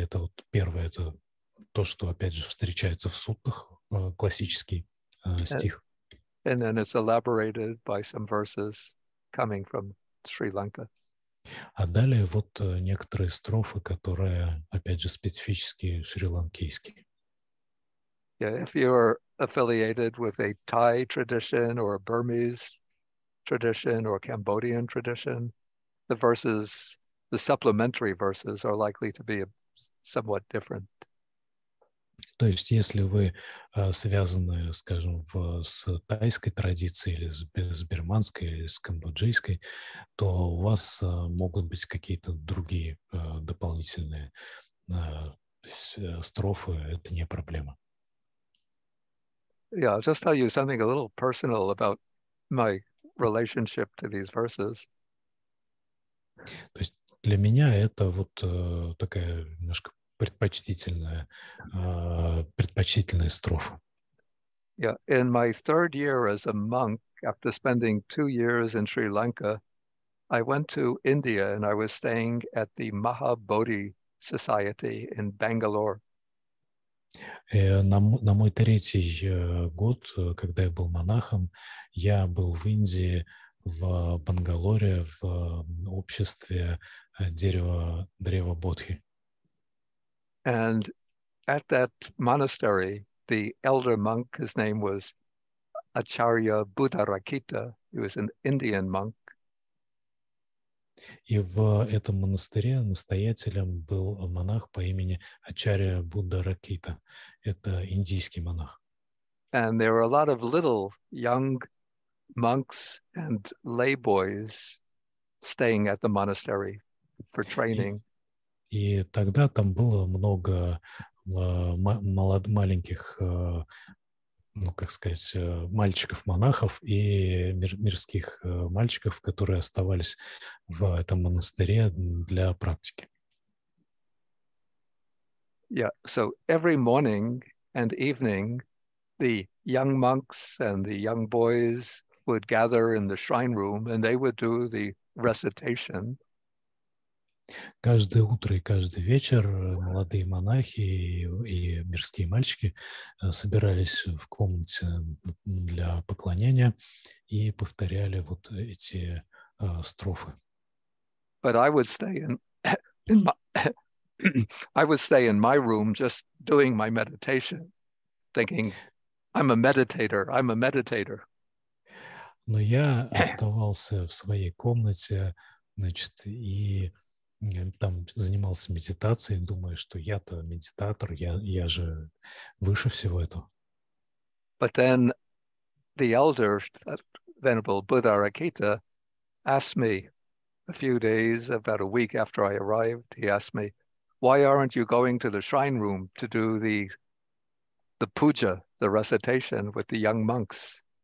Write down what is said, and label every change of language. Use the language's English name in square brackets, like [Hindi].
[Russian] Это вот первое, это то, что опять же встречается в суттах, классический стих. [English] And then it's elaborated by some verses coming from Sri Lanka. [Russian] А далее вот некоторые строфы, которые, опять же, специфически шри-ланкийские. [English] Yeah, if you're affiliated with a Thai tradition or a Burmese tradition or Cambodian tradition, the verses, the supplementary verses are likely to be somewhat different. [Russian] То есть, если вы связаны, скажем, с тайской традицией или с бирманской, или с камбоджийской, то у вас могут быть какие-то другие дополнительные строфы. Это не проблема. [English] Yeah, I'll just tell you something a little personal about my relationship to these verses. [Russian] То есть, для меня это вот такая немножко предпочтительная строфа. [English] Yeah, in my third year as a monk, after spending 2 years in Sri Lanka, I went to India and I was staying at the Mahabodhi Society in Bangalore. [Russian] На мой третий год, когда я был монахом, я был в Индии, в Бангалоре, в обществе дерева Бодхи. [English] And at that monastery, the elder monk, his name was Acharya Buddharakita. He was an Indian monk. [Russian] И в этом монастыре настоятелем был монах по имени Ачарья Буддаракита. Это индийский монах. [English] And there were a lot of little young monks and lay boys staying at the monastery for training. [Russian] И тогда там было много маленьких, ну, как сказать, мальчиков-монахов и мирских мальчиков, которые оставались в этом монастыре для практики. [English] Yeah, so every morning and evening the young monks and the young boys would gather in the shrine room and they would do the recitation. [Russian] Каждое утро и каждый вечер молодые монахи и мирские мальчики собирались в комнате для поклонения и повторяли вот эти строфы. [English] But I would stay in my room just doing my meditation, thinking, I'm a meditator. [Russian] Но я оставался в своей комнате, значит, и там занимался медитацией, думаю, что я-то медитатор, я же выше всего этого. [English] But then the elder, Venerable Buddharakita, asked me a few days, about a week after I arrived, he asked me, why aren't you going to the shrine room to do the puja, the recitation with the young monks?